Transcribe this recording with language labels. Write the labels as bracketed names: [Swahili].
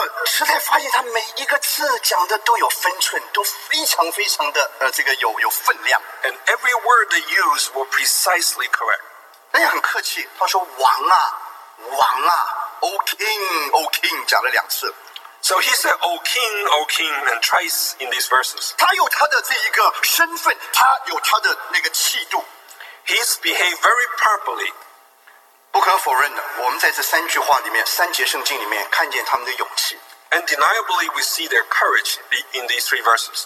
[Chinese] 实在发现他每一个字讲的都有分寸，都非常非常的这个有分量。 [English] And every word they used were precisely correct. [Chinese] 他也很客气，他说王啊，王啊 ， [English] O king, O king， [Chinese] 讲了两次。 [English] So he said, "O king, O king," and twice in these verses. [Chinese] 他有他的这一个身份，他有他的那个气度。 [English] He's behaved very properly. [Chinese] 不可否认的，我们在这三句话里面，三节圣经里面看见他们的勇气。 [English] Undeniably, we see their courage in these three verses.